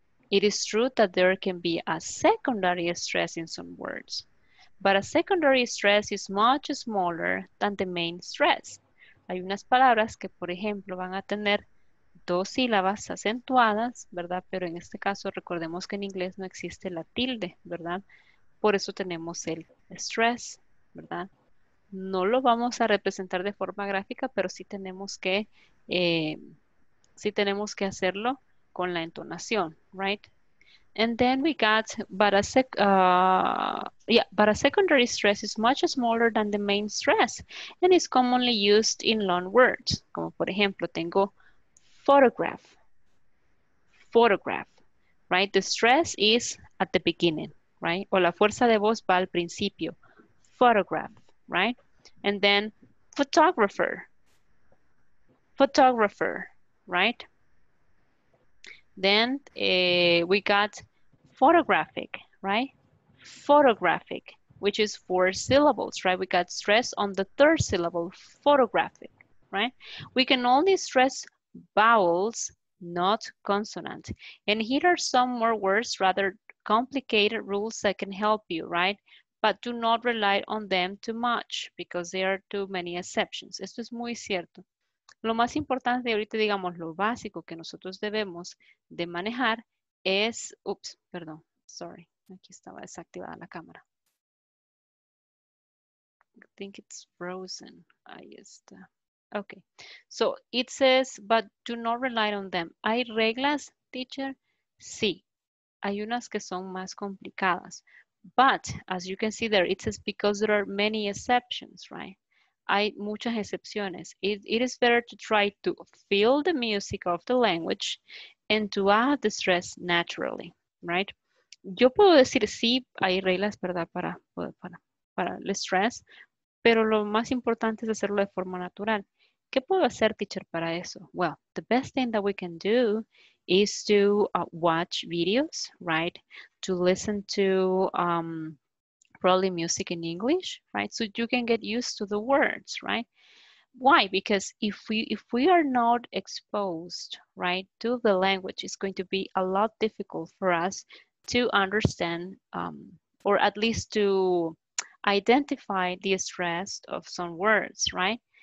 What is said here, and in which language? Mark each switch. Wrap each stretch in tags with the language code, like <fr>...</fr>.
<en>It is true that there can be a secondary stress in some words, but a secondary stress is much smaller than the main stress.</en> <es>Hay unas palabras que, por ejemplo, van a tener dos sílabas acentuadas, ¿verdad? Pero en este caso, recordemos que en inglés no existe la tilde, ¿verdad? Por eso tenemos el stress, ¿verdad? No lo vamos a representar de forma gráfica, pero sí tenemos que... Sí tenemos que hacerlo con la entonación, right?</es> <en>And then we got, but a secondary stress is much smaller than the main stress and is commonly used in long words.</en> <es>Como por ejemplo, tengo photograph, photograph, right?</es> <en>The stress is at the beginning,</en> <es>right? O la fuerza de voz va al principio, photograph, right?</es> <en>And then photographer, photographer. Right? Then we got photographic, right? Photographic, which is four syllables, right? We got stress on the third syllable, photographic, right? We can only stress vowels, not consonant. And here are some more words, rather complicated rules that can help you, right? But do not rely on them too much because there are too many exceptions.</en> <es>Esto es muy cierto. Lo más importante ahorita, digamos, lo básico que nosotros debemos de manejar es, ups, perdón, sorry, aquí estaba desactivada la cámara.</es> <en>I think it's frozen,</en> <es>ahí está.</es> <en>Okay, so it says, but do not rely on them.</en> <es>¿Hay reglas, teacher? Sí, hay unas que son más complicadas.</es> <en>But, as you can see there, it says because there are many exceptions, right?</en> <es>Hay muchas excepciones.</es> <en>It is better to try to feel the music of the language and to add the stress naturally, right?</en> <es>Yo puedo decir sí, hay reglas, ¿verdad? Para el stress, pero lo más importante es hacerlo de forma natural. ¿Qué puedo hacer, teacher, para eso?</es> <en>Well, the best thing that we can do is to watch videos, right? To listen to... probably music in English, right? So you can get used to the words, right? Why? Because if we are not exposed, right, to the language, it's going to be a lot difficult for us to understand or at least to identify the stress of some words, right?</en>